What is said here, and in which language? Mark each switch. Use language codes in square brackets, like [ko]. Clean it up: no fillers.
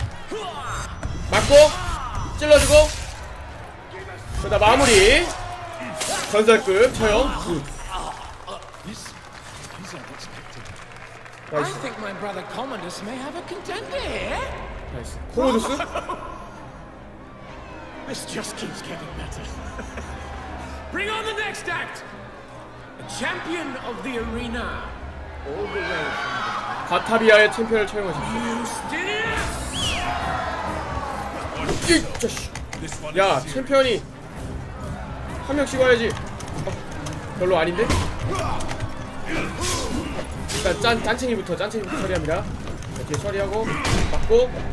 [ko] 맞고 찔러주고 그 다음 마무리 전설급 처형 나이스 나이스 코모도스? [en] This just keeps getting better Bring on the next act A champion of the arena All the way [ko] 바타비아의 챔피언을 채용하셨어. 이 자식. 야, 챔피언이 한 명씩 와야지. 어, 별로 아닌데? 일단 짠챙이부터 처리합니다. 이렇게 처리하고 맞고.